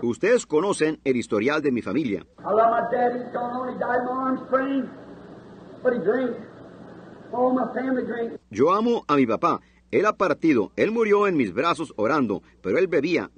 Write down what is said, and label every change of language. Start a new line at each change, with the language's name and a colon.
Spanish: Ustedes conocen el historial de mi familia.
English: I love my daddy, he's gone on, he died in my arms, praying, but he drank. All my family drank.
Spanish: Yo amo a mi papá. Él ha partido. Él murió en mis brazos orando, pero él bebía.